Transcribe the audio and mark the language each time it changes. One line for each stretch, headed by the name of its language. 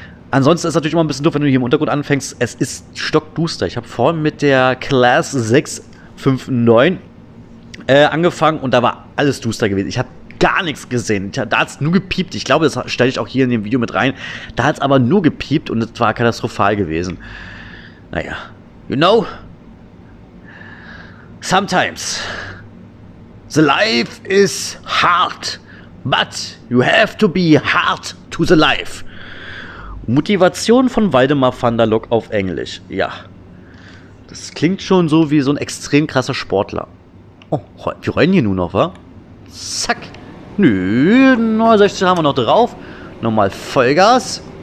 German: Ansonsten ist es natürlich immer ein bisschen doof, wenn du hier im Untergrund anfängst. Es ist stockduster. Ich habe vorhin mit der Class 659 angefangen und da war alles duster gewesen. Ich habe gar nichts gesehen. Da hat es nur gepiept. Ich glaube, das stelle ich auch hier in dem Video mit rein. Da hat es aber nur gepiept und es war katastrophal gewesen.
English: Naja, you know, sometimes the life is hard, but you have to be hard to the life.
German: Motivation von Waldemar van der Lock auf Englisch. Ja, das klingt schon so wie so ein extrem krasser Sportler. Oh, wir rollen hier nur noch, wa? Zack. Nö, 69 haben wir noch drauf. Nochmal Vollgas.